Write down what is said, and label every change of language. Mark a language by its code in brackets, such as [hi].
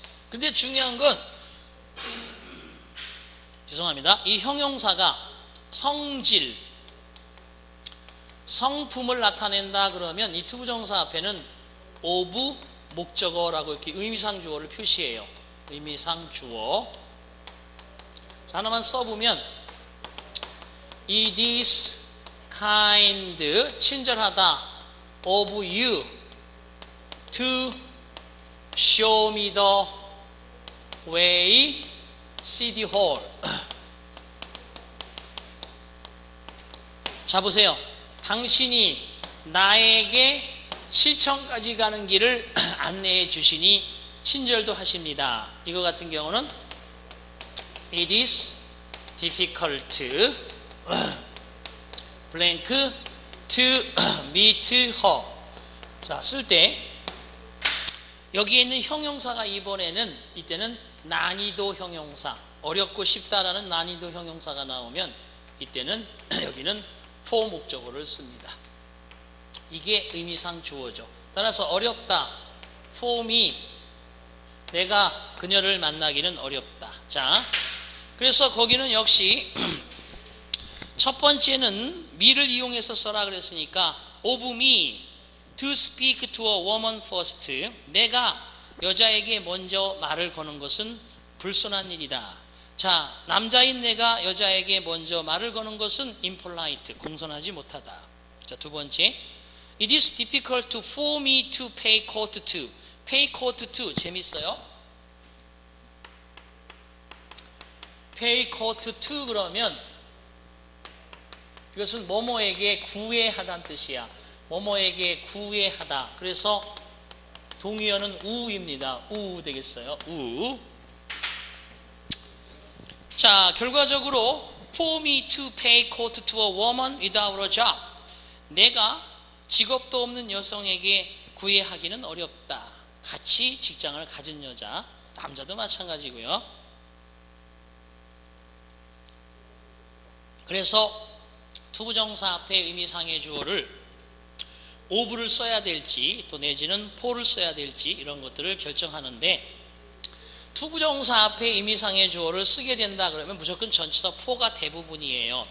[ko] 근데 중요한 건 죄송합니다. 이 형용사가 성질, 성품을 나타낸다 그러면 이 to 부정사 앞에는 of 목적어라고 이렇게 의미상 주어를 표시해요. 의미상 주어. 하나만 써보면 [en] It is kind, [ko] 친절하다, [en] of you to show me the way city hall. [ko] 자, 보세요. 당신이 나에게 시청까지 가는 길을 안내해 주시니 친절도 하십니다. 이거 같은 경우는 [en] It is difficult blank to meet her. [ko] 자, 쓸 때 여기에 있는 형용사가 이번에는 이때는 난이도 형용사, 어렵고 쉽다라는 난이도 형용사가 나오면 이때는 여기는 for 목적어를 씁니다. 이게 의미상 주어죠. 따라서 어렵다, [en] for me, [ko] 내가 그녀를 만나기는 어렵다. 자, 그래서 거기는 역시 첫 번째는 me를 이용해서 써라 그랬으니까 [en] of me to speak to a woman first, [ko] 내가 여자에게 먼저 말을 거는 것은 불손한 일이다. 자, 남자인 내가 여자에게 먼저 말을 거는 것은 impolite, 공손하지 못하다. 자, 두 번째 [en] it is difficult for me to pay court to. pay court to [ko] 재밌어요. [en] pay court to [ko] 그러면 이것은 뭐뭐에게 구애하다는 뜻이야. 뭐뭐에게 구애하다. 그래서 동의어는 우입니다. 우 되겠어요. 우. 자, 결과적으로 [en] for me to pay court to a woman without a job, [ko] 내가 직업도 없는 여성에게 구애하기는 어렵다. 같이 직장을 가진 여자, 남자도 마찬가지고요. 그래서 to 부정사 앞에 의미상의 주어를 of를 써야 될지 또 내지는 for를 써야 될지 이런 것들을 결정하는데 to 부정사 앞에 의미상의 주어를 쓰게 된다 그러면 무조건 전체다 for가 대부분이에요.